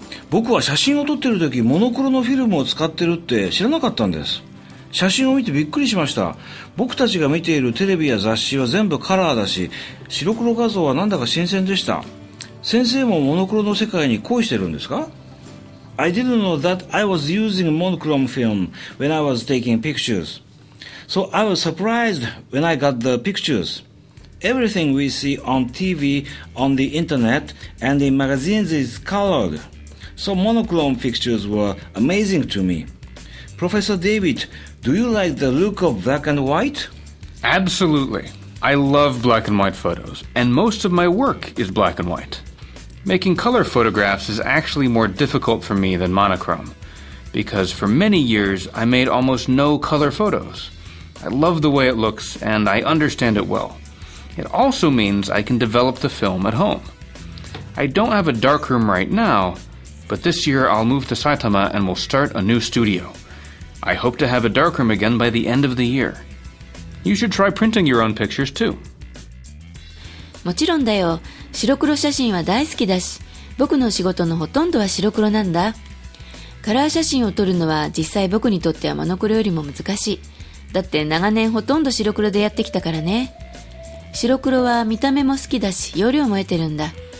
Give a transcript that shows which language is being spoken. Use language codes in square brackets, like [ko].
[ja] 僕は写真を撮ってる時モノクロのフィルムを使ってるって知らなかったんです。写真を見てびっくりしました。僕たちが見ているテレビや雑誌は全部カラーだし、白黒画像はなんだか新鮮でした。先生もモノクロの世界に恋してるんですか？ [en] I didn't know that I was using monochrome film when I was taking pictures. So I was surprised when I got the pictures. Everything we see on TV, on the internet, and in magazines is colored. So monochrome pictures were amazing to me. Professor David, do you like the look of black and white? Absolutely. I love black and white photos, and most of my work is black and white. Making color photographs is actually more difficult for me than monochrome, because for many years I made almost no color photos. I love the way it looks, and I understand it well. It also means I can develop the film at home. I don't have a darkroom right now, but this year I'll move to Saitama and will start a new studio. I hope to have a darkroom again by the end of the year. You should try printing your own pictures too. [ja] もちろんだよ。白黒写真は大好きだし、僕の仕事のほとんどは白黒なんだ。カラー写真を撮るのは実際僕にとってはモノクロよりも難しい。だって長年ほとんど白黒でやってきたからね。白黒は見た目も好きだし容量も得てるんだ。